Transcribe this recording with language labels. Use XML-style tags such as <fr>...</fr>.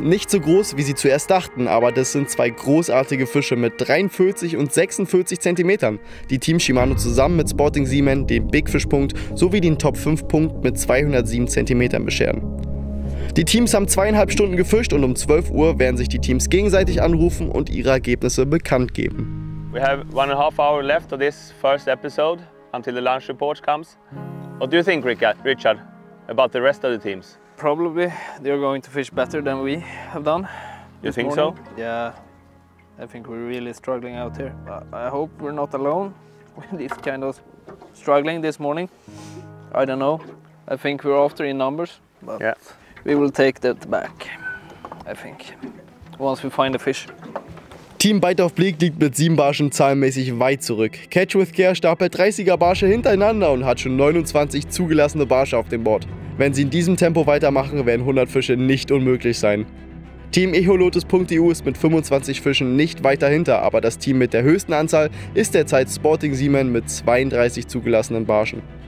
<de>Nicht so groß, wie sie zuerst dachten, aber das sind zwei großartige Fische mit 43 und 46 cm, die Team Shimano zusammen mit Sporting Seaman den Big Fish Punkt sowie den Top 5 Punkt mit 207 cm bescheren. Die Teams haben 2,5 Stunden gefischt und um 12 Uhr werden sich die Teams gegenseitig anrufen und ihre Ergebnisse bekannt geben.</de> <en>We have 1.5 hours left of this first episode until the launch report comes. What do you think, Richard, about the rest of the teams? Probably they're going to fish better than we have done. You think morning. So? Yeah, I think we're really struggling out here. I hope we're not alone with this kind of struggling this morning. I don't know. I think we're after in numbers, but yeah. We will take that back, I think, once we find a fish.</en> <de>Team Bite auf Bleak liegt mit 7 Barschen zahlenmäßig weit zurück. Catch with Care stapelt 30er Barsche hintereinander und hat schon 29 zugelassene Barsche auf dem Board. Wenn sie in diesem Tempo weitermachen, werden 100 Fische nicht unmöglich sein. Team Eholotes.eu ist mit 25 Fischen nicht weit dahinter, aber das Team mit der höchsten Anzahl ist derzeit Sporting Seaman mit 32 zugelassenen Barschen.</de>